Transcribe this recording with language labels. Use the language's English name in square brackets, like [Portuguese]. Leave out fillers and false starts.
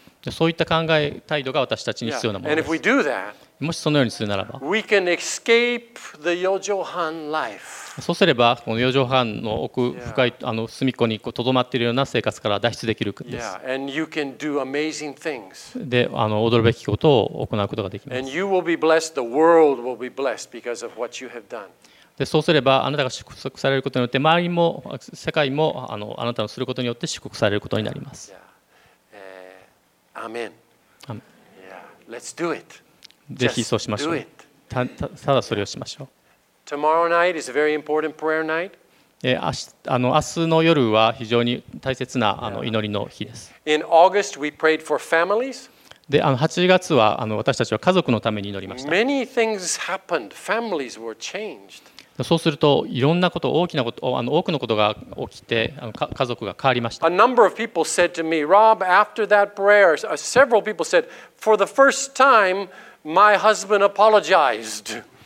[Japanese] そういった考え態度が私たちに必要なものです。もしそのようにするならば、そうすればこの四畳半の奥深い隅っこにとどまっているような生活から脱出できるんです。で、驚くべきことを行うことができます。 [English] And you will be blessed. The world will be blessed because of what you have done. [Japanese] でそうすればあなたが祝福されることによって周りも世界もあなたのすることによって祝福されることになります。 [English] アーメン。Let's do it. [Japanese] ぜひそうしましょう。ただそれをしましょう。 [English] Tomorrow night is a very important prayer night. [Japanese] 明日の夜は非常に大切な祈りの日です。 [English] In August, we prayed for families. [Japanese] で、8月は私たちは家族のために祈りました。 [English] Many things happened. Families were changed. [Japanese] そうするといろんなこと、大きなこと、多くのことが起きて、家族が変わりました。 [English] A number of people said to me, Rob, after that prayer, several people said, for the first time, my husband apologized.